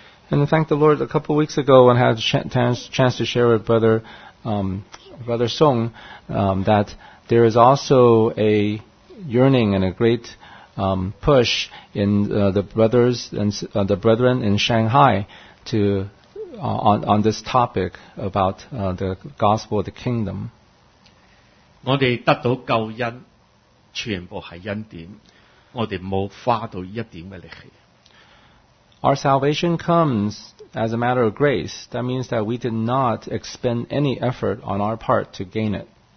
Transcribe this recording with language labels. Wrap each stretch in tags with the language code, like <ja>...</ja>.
<en>And thank the Lord, a couple of weeks ago when I had a chance to share with Brother Brother Song, that there is also a yearning and a great push in the brothers and the brethren in Shanghai to on this topic about the gospel of the kingdom.</en> <zh>我们得到救恩全部是恩典，我们没花到一点的力气。</zh> <en>Our salvation comes as a matter of grace. That means that we did not expend any effort on our part to gain it.</en>